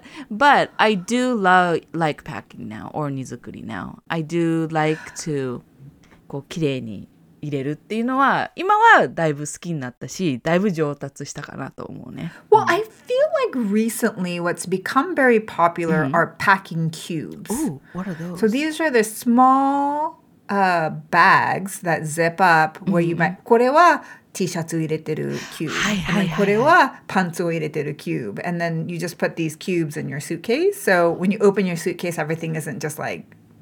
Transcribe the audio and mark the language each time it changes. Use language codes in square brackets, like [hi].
[en] but I do love like packing now or 荷造り now. I do like to [ja] こう綺麗に入れるっていうのは今はだいぶ好きになったし、だいぶ上達したかなと思うね。 [en] Well, I feel like recently what's become very popular、mm-hmm. are packing cubes. Ooh, what are those? So these are the small、bags that zip up where、mm-hmm. you might... [ja] これは T シャツ入れてるキューブ。はいはいはい。これはパンツを入れてるキューブ。 [en] And then you just put these cubes in your suitcase. So when you open your suitcase, everything isn't just like